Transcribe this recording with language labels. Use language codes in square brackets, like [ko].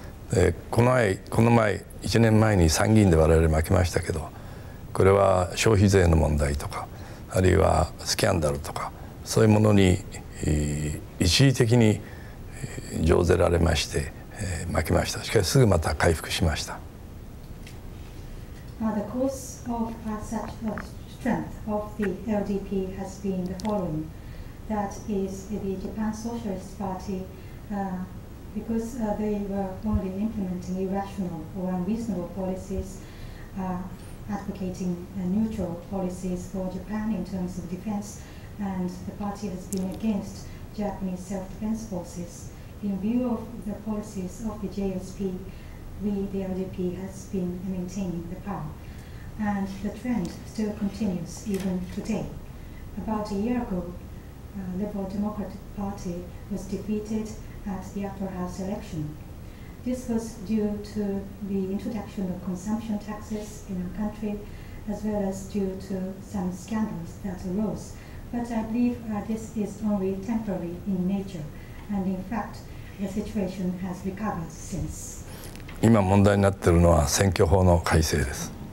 [ja] で、この前1年前に参議院で我々負けましたけど、これは消費税の問題とか、あるいはスキャンダルとか、そういうものに一時的に上ぜられまして、負けました。しかしすぐまた回復しました。 [en] Now the course of strength of the LDP has been the following. That is the Japan Socialist Party, because they were only implementing irrational or unreasonable policies, advocating neutral policies for Japan in terms of defense, and the party has been against Japanese self-defense forces. In view of the policies of the JSP, we, the LDP, has been maintaining the power. And the trend still continues even today. About a year ago, Liberal Democratic Party was defeated at the upper house election. This was due to the introduction of consumption taxes in our country, as well as due to some scandals that arose. But I believe this is only temporary in nature, and in fact, the situation has recovered since. [ja] 今問題になっているのは選挙法の改正です。